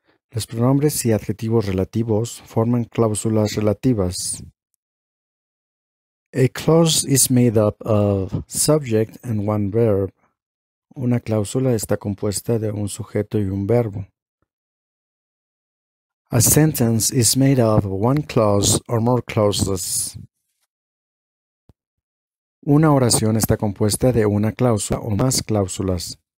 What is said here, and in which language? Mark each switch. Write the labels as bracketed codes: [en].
[es] Los pronombres y adjetivos relativos forman cláusulas relativas. [en] A clause is made up of subject and one verb. [es] Una cláusula está compuesta de un sujeto y un verbo. [en] A sentence is made up of one clause or more clauses. [es] Una oración está compuesta de una cláusula o más cláusulas.